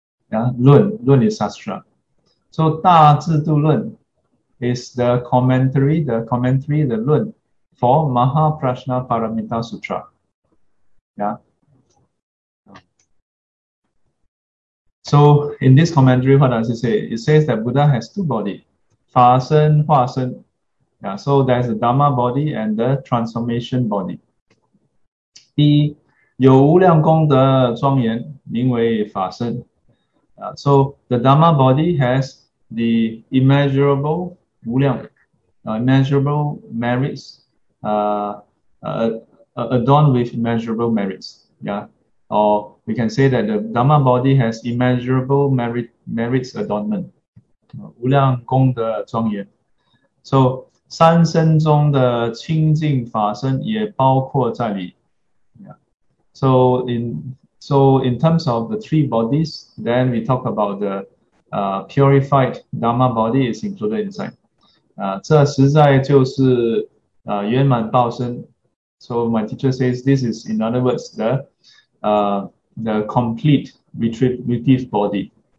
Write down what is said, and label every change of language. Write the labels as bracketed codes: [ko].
[en] Yeah, Lun is Sastra. So 大智度论 is the commentary, the Lun for Maha Prajna Paramita Sutra. Yeah. So in this commentary, what does it say? It says that Buddha has two body, Fa Sen, Hua Sen. Yeah, so there's the Dhamma body and the transformation body. [zh] 第一,有无量功德庄严,名为法身. [en] So the Dhamma body has the immeasurable 无量, immeasurable merits, adorned with immeasurable merits, yeah. Or we can say that the Dhamma body has immeasurable merits adornment. [zh] 无量功德庄严. So, 三身中的清净法身也包括在里. [en] Yeah. So in terms of the three bodies, then we talk about the purified Dhamma body is included inside. [zh] 这实在就是 圆满报身. [en] So my teacher says this is, in other words, the complete retributive body.